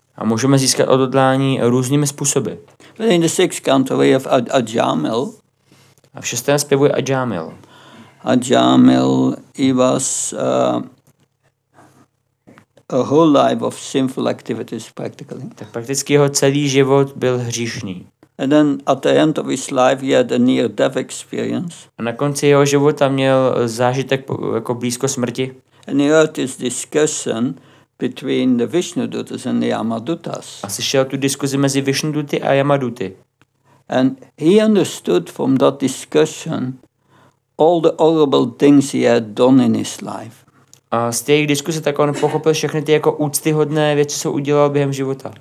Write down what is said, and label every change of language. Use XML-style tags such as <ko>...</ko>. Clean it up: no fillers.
<cs>A můžeme získat odhodlání různými způsoby.</cs> <en>But in the sixth canto we have Ajamil.</en> <cs>A v šestém zpěvuje Ajamil.</cs> <en>Ajamil, he was a whole life of sinful activities practically.</en> <cs>Tak prakticky jeho celý život byl hříšný.</cs> <en>And then at the end of his life he had a near-death experience.</en> <cs>A na konci jeho života měl zážitek jako blízko smrti.</cs> <en>And he heard this discussion between the Vishnudutas and the Yamadutas.</en> <cs>A slyšel tu diskuzi mezi Vishnuduty a Yamaduty.</cs> <en>And he understood from that discussion all the horrible things he had done in his life.</en> <cs>A z těch diskuse tak on pochopil všechny ty jako úctyhodné věci, co udělal během života.</cs>